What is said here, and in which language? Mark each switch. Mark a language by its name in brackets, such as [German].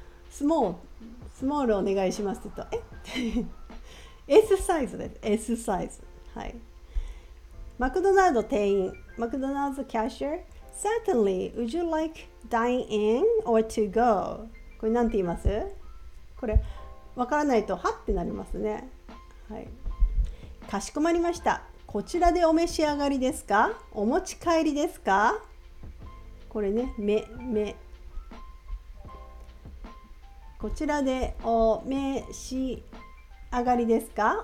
[Japanese] スモールお願いしますって言うと、え？って。S サイズです。S サイズ。はい。マクドナルド店員。マクドナルドキャッシャー。 [English] Certainly, would you like dine in or to go? [Japanese] これなんて言います？これ、わからないと、はってなりますね。はい。かしこまりました。こちらでお召し上がりですか？お持ち帰りですか？これね、目。こちらでお召し上がりですか？